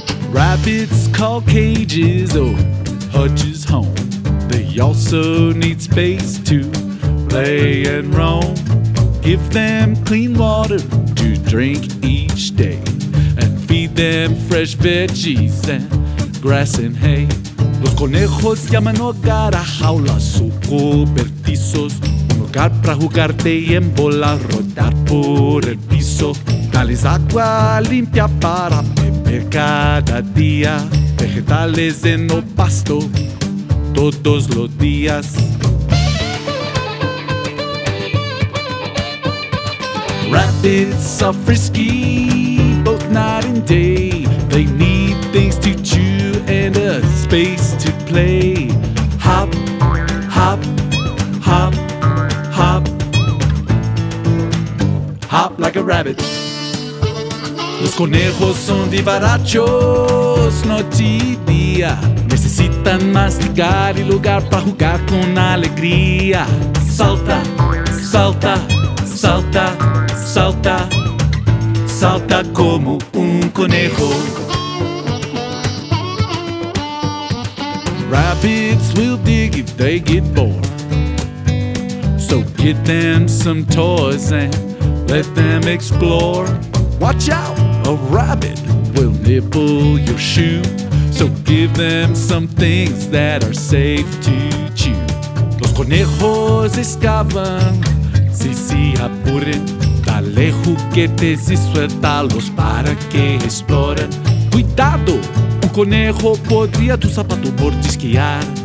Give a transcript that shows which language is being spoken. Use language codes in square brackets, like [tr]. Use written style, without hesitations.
[en] Rabbits call cages or Hutch's home. They also need space to play and roam. Give them clean water to drink each day, and feed them fresh veggies and grass and hay. [es] Los conejos llaman hogar a jaulas o cobertizos, un lugar para jugarte y en bola rodar por el piso. Dales agua limpia para beber cada día, vegetales en el pasto todos los días. [en] Rabbits are frisky, both night and day. They need things to chew and a space to play. Hop, hop, hop, hop. Hop like a rabbit. [es] Los conejos son vivarachos noche y día. Necesitan masticar y lugar para jugar con alegría. Salta, salta, salta. Salta, salta como un conejo. [en] Rabbits will dig if they get bored, so get them some toys and let them explore. Watch out, a rabbit will nibble your shoe, so give them some things that are safe to chew. [es] Los conejos excavan, si se apuren. Dale juguetes y suéltalos para que exploren. Cuidado, un conejo podría tu zapato mordisquear.